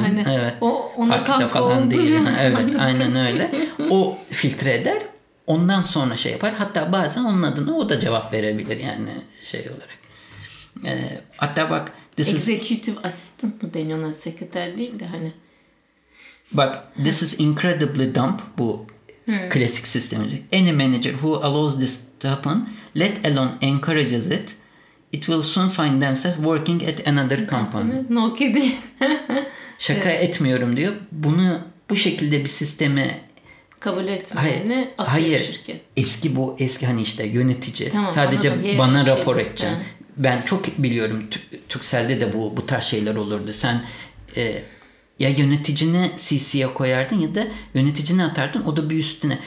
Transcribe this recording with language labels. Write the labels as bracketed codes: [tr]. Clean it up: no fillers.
[tr] Hani, evet. O ona falan oldu. Değil. Evet aynen öyle. O filtre eder. Ondan sonra şey yapar. Hatta bazen onun adına o da cevap verebilir yani şey olarak. Hatta bak. Executive assistant mı deniyor ona? Sekreter değil de hani. Bak [en] this is incredibly dumb [tr] bu. Klasik sistemi. [en] Any manager who allows this to happen, let alone encourages it, it will soon find themselves working at another company. No kidding. [tr] Şaka evet. Etmiyorum diyor. Bunu bu şekilde bir sisteme kabul etmeyeni atıyor hayır. Şirket. Eski bu eski hani işte yönetici. Tamam, sadece bana şey rapor edeceksin. Ben çok biliyorum Turkcell'de de bu tarz şeyler olurdu. Sen ya yöneticini CC'ye koyardın ya da yöneticini atardın o da bir üstüne.